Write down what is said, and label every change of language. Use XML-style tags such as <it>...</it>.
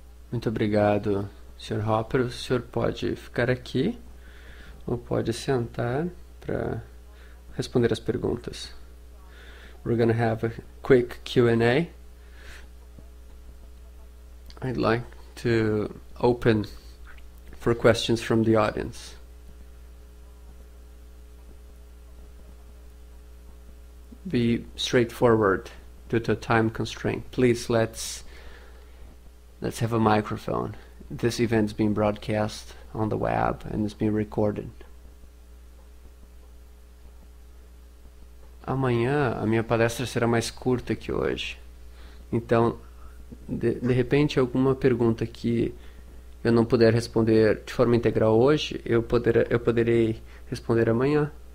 <pt>Muito obrigado, Sr. Hopper. O senhor pode ficar aqui ou pode sentar para responder as perguntas.</pt> <en>We're going to have a quick Q&A. I'd like to open for questions from the audience. Be straightforward due to time constraint. Please, let's have a microphone. This event's being broadcast on the web and it's being recorded.</en> <pt>Amanhã a minha palestra será mais curta que hoje. Então, de repente, alguma pergunta que eu não puder responder de forma integral hoje, eu poderei responder amanhã.</pt>